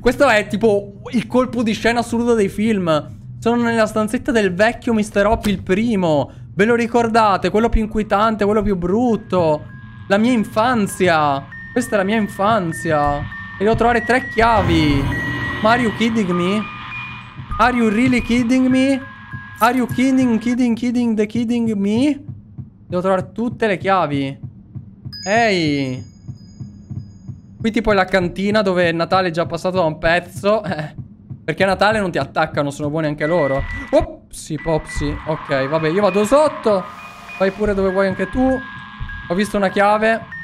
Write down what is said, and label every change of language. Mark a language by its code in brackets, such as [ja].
[it] Questo è tipo il colpo di scena assurdo dei film! Sono nella stanzetta del vecchio Mr. Hoppy, il primo! Ve lo ricordate? Quello più inquietante, quello più brutto! La mia infanzia! Questa è la mia infanzia! E devo trovare 3 chiavi! Ma [en] are you kidding me? Are you really kidding me? Are you kidding, kidding, kidding, the kidding me? [it] Devo trovare tutte le chiavi. Ehi! Qui tipo è la cantina dove Natale è già passato da un pezzo. Perché a Natale non ti attaccano, sono buoni anche loro. Opsi, popsi. Ok, vabbè, io vado sotto. Vai pure dove vuoi anche tu. Ho visto una chiave.